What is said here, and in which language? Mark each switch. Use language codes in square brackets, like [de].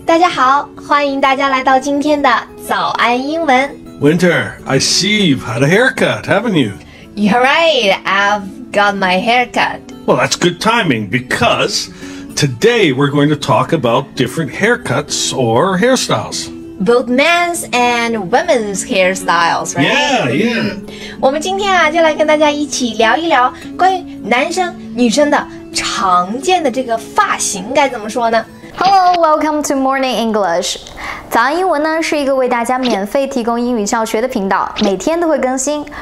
[zh] 大家好，欢迎大家来到今天的早安英文。 [en] Winter, I see you've had a haircut, haven't you? You're right. I've got my haircut. Well, that's good timing because today we're going to talk about different haircuts or hairstyles. Both men's and women's hairstyles, right? Yeah, yeah. [zh] 我们今天啊，就来跟大家一起聊一聊关于男生、女生的常见的这个发型该怎么说呢？ [en] Hello, welcome to Morning English. [zh] 早安英文呢是一个为大家免费提供英语教学的频道，每天都会更新。